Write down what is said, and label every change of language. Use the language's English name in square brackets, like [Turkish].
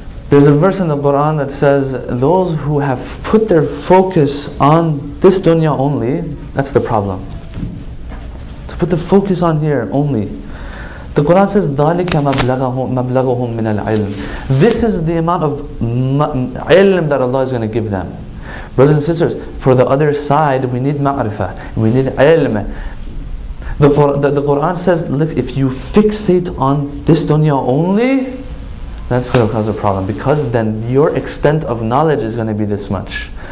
[English] There's a verse in the Quran that says, those who have put their focus on this dunya only, that's the problem. To put the focus on here only. [Arabic] The Quran says, ذَلِكَ مَبْلَغَهُمْ مِنَ الْعِلْمِ. [English] This is the amount of ilm that Allah is going to give them. Brothers and sisters, for the other side, we need ma'rifah, we need ilm. The Quran says, look, if you fixate on this dunya only, that's going to cause a problem, because then your extent of knowledge is going to be this much.